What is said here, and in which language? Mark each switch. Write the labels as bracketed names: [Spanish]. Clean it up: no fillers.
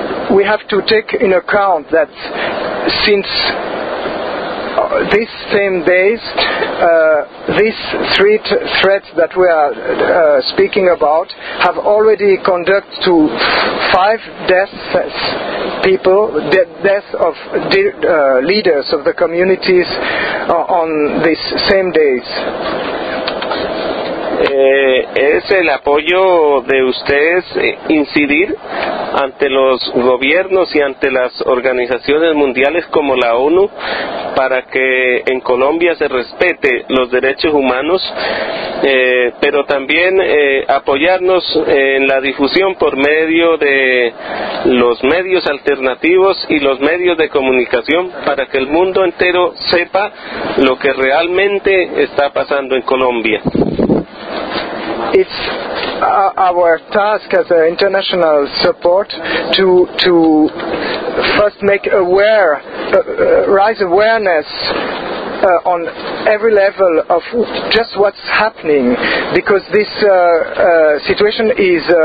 [English] We have to take in account that since these same days, these three threats that we are speaking about have already conducted to 5 deaths, people, deaths of leaders of the communities on these same days. [Spanish] Es el apoyo de ustedes incidir ante los gobiernos y ante las organizaciones mundiales como la ONU para que en Colombia se respete los derechos humanos, pero también apoyarnos en la difusión por medio de los medios alternativos y los medios de comunicación para que el mundo entero sepa lo que realmente está pasando en Colombia. [English] It's our task as an international support to first make aware, raise awareness on every level of just what's happening, because this situation is